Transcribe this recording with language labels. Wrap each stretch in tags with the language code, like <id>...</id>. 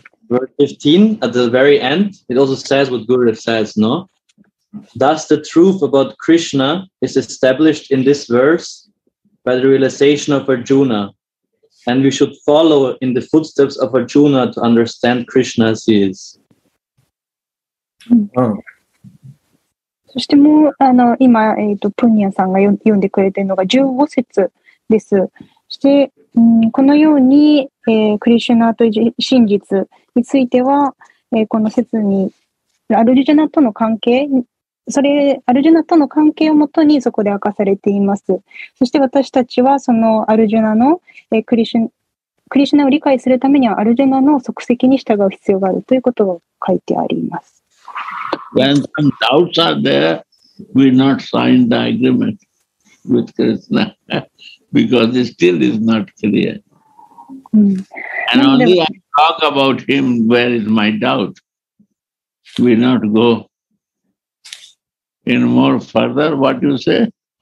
<en>Verse 15, at the very end, it also says what Gurudev says, no? Thus, the truth about Krishna is established in this verse by the realization of Arjuna, and we should follow in the footsteps of Arjuna to understand Krishna as he is. Oh.</en> <ja>そしてもう、今、プニアさんが読んでくれているのが15節です。そして、このように、クリシュナという真実については、この説にアルジュナとの関係、それアルジュナとの関係をもとにそこで明かされています。そして私たちはそのアルジュナの、クリシュナを理解するためにはアルジュナの足跡に従う必要があるということが書いてあります。</ja> <en>When some doubts are there, we not sign the agreement with Krishna because it still is not clear. And only I talk about him, where is my doubt? We not go in more further, what you say?</en>